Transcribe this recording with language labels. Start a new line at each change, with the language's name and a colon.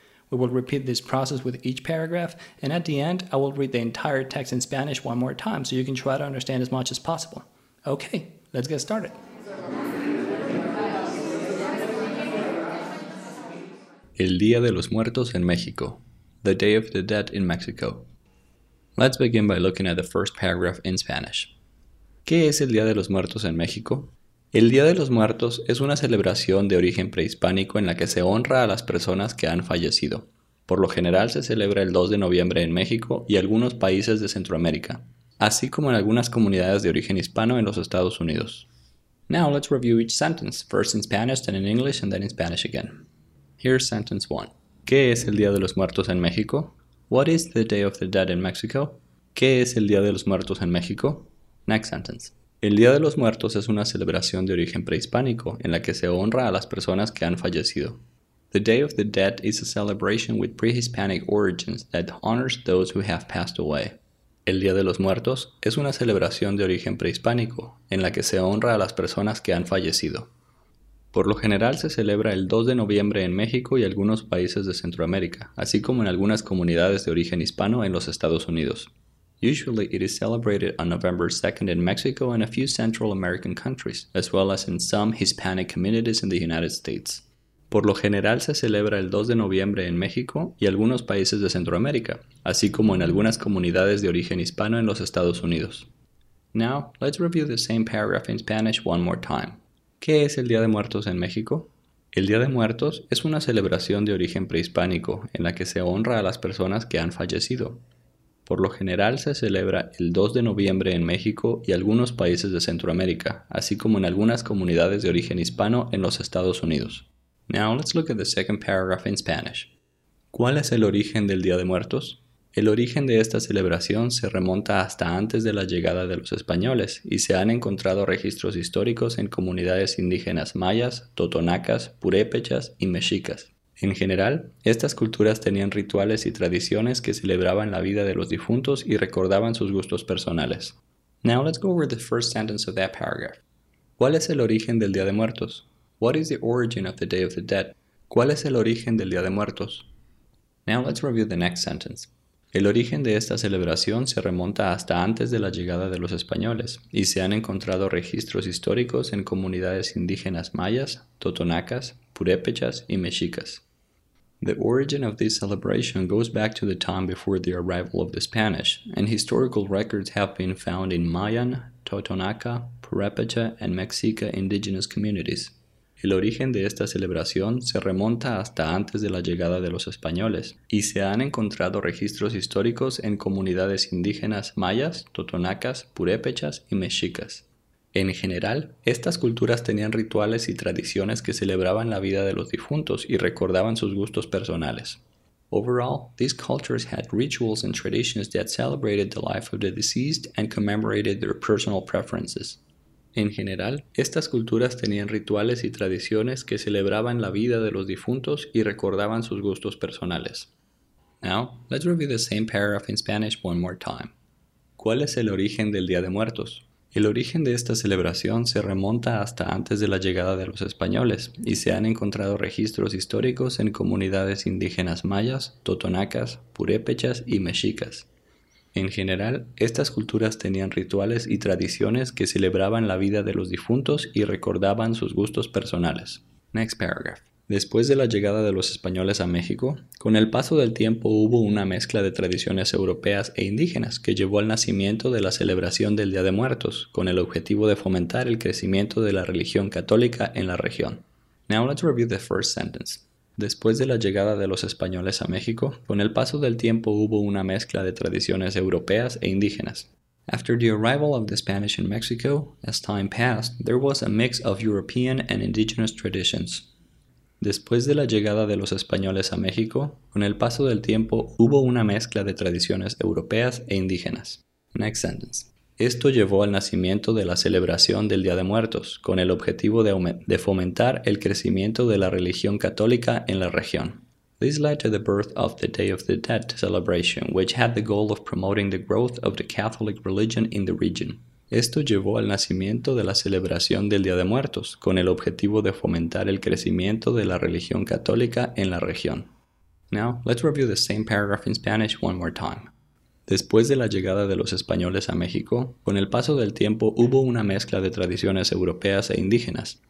English: We will repeat this process with each paragraph, and at the end, I will read the entire text in Spanish one more time so you can try to understand as much as possible. Okay, let's get started.
Spanish: El Día de los Muertos en México,
English: the Day of the Dead in Mexico. Let's begin by looking at the first paragraph in Spanish.
Spanish: ¿Qué es el Día de los Muertos en México? El Día de los Muertos es una celebración de origen prehispánico en la que se honra a las personas que han fallecido. Por lo general se celebra el 2 de noviembre en México y algunos países de Centroamérica, así como en algunas comunidades de origen hispano en los Estados Unidos.
English: Now let's review each sentence, first in Spanish, then in English, and then in Spanish again. Here's sentence 1.
Spanish: ¿Qué es el Día de los Muertos en México?
English: What is the Day of the Dead in Mexico?
Spanish: ¿Qué es el Día de los Muertos en México?
English: Next sentence.
Spanish: El Día de los Muertos es una celebración de origen prehispánico en la que se honra a las personas que han fallecido.
English: The Day of the Dead is a celebration with pre-Hispanic origins that honors those who have passed away.
Spanish: El Día de los Muertos es una celebración de origen prehispánico en la que se honra a las personas que han fallecido. Por lo general se celebra el 2 de noviembre en México y algunos países de Centroamérica, así como en algunas comunidades de origen hispano en los Estados Unidos.
English: Usually it is celebrated on November 2nd in Mexico and a few Central American countries, as well as in some Hispanic communities in the United States.
Spanish: Por lo general se celebra el 2 de noviembre en México y algunos países de Centroamérica, así como en algunas comunidades de origen hispano en los Estados Unidos.
English: Now, let's review the same paragraph in Spanish one more time.
Spanish: ¿Qué es el Día de Muertos en México? El Día de Muertos es una celebración de origen prehispánico en la que se honra a las personas que han fallecido. Por lo general se celebra el 2 de noviembre en México y algunos países de Centroamérica, así como en algunas comunidades de origen hispano en los Estados Unidos.
English: Now let's look at the second paragraph in Spanish.
Spanish: ¿Cuál es el origen del Día de Muertos? El origen de esta celebración se remonta hasta antes de la llegada de los españoles y se han encontrado registros históricos en comunidades indígenas mayas, totonacas, purépechas y mexicas. En general, estas culturas tenían rituales y tradiciones que celebraban la vida de los difuntos y recordaban sus gustos personales.
English: Now let's go over the first sentence of that paragraph.
Spanish: ¿Cuál es el origen del Día de Muertos?
English: What is the origin of the Day of the Dead?
Spanish: ¿Cuál es el origen del Día de Muertos?
English: Now let's review the next sentence.
Spanish: El origen de esta celebración se remonta hasta antes de la llegada de los españoles y se han encontrado registros históricos en comunidades indígenas mayas, totonacas, purépechas y mexicas.
English: The origin of this celebration goes back to the time before the arrival of the Spanish, and historical records have been found in Mayan, Totonaca, Purépecha and Mexica indigenous communities.
Spanish: El origen de esta celebración se remonta hasta antes de la llegada de los españoles y se han encontrado registros históricos en comunidades indígenas mayas, totonacas, purépechas y mexicas. En general, estas culturas tenían rituales y tradiciones que celebraban la vida de los difuntos y recordaban sus gustos personales.
English: Overall, these cultures had rituals and traditions that celebrated the life of the deceased and commemorated their personal preferences.
Spanish: En general, estas culturas tenían rituales y tradiciones que celebraban la vida de los difuntos y recordaban sus gustos personales.
English: Now, let's review the same paragraph in Spanish one more time.
Spanish: ¿Cuál es el origen del Día de Muertos? El origen de esta celebración se remonta hasta antes de la llegada de los españoles y se han encontrado registros históricos en comunidades indígenas mayas, totonacas, purépechas y mexicas. En general, estas culturas tenían rituales y tradiciones que celebraban la vida de los difuntos y recordaban sus gustos personales.
English: Next paragraph.
Spanish: Después de la llegada de los españoles a México, con el paso del tiempo hubo una mezcla de tradiciones europeas e indígenas que llevó al nacimiento de la celebración del Día de Muertos, con el objetivo de fomentar el crecimiento de la religión católica en la región.
English: Now let's review the first sentence.
Spanish: Después de la llegada de los españoles a México, con el paso del tiempo hubo una mezcla de tradiciones europeas e indígenas.
English: After the arrival of the Spanish in Mexico, as time passed, there was a mix of European and indigenous traditions.
Spanish: Después de la llegada de los españoles a México, con el paso del tiempo hubo una mezcla de tradiciones europeas e indígenas.
English: Next sentence.
Spanish: Esto llevó al nacimiento de la celebración del Día de Muertos, con el objetivo de fomentar el crecimiento de la religión católica en la región.
English: This led to the birth of the Day of the Dead celebration, which had the goal of promoting the growth of the Catholic religion in the region.
Spanish: Esto llevó al nacimiento de la celebración del Día de Muertos, con el objetivo de fomentar el crecimiento de la religión católica en la región.
English: Now, let's review the same paragraph in Spanish one more time.
Spanish: Después de la llegada de los españoles a México, con el paso del tiempo hubo una mezcla de tradiciones europeas e indígenas.